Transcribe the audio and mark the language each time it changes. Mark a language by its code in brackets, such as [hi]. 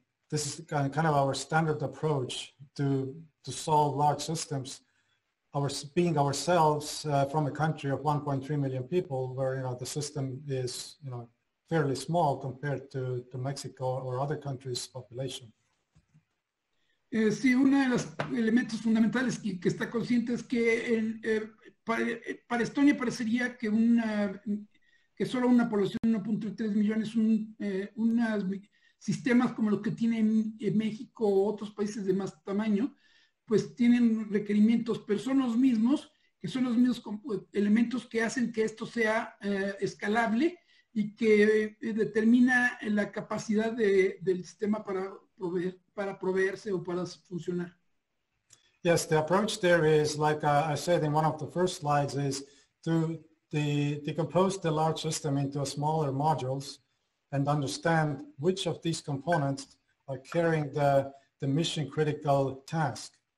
[en] This is kind of our standard approach to solve large systems. Being ourselves from a country of 1.3 million people, where you know the system is you know fairly small compared to Mexico or other countries' population. [es] Sí, uno de los elementos fundamentales que está consciente es que el, para Estonia parecería que una que solo una población de 1.3 millones un unas sistemas como los que tienen en México o otros países de más tamaño, pues tienen requerimientos, pero son los mismos, que son los mismos elementos que hacen que esto sea escalable y que determina la capacidad del sistema para proveerse o para funcionar. [en] Yes, the approach there is, like I said in one of the first slides, is to decompose the large system into smaller modules and understand which of these components are carrying the mission critical task.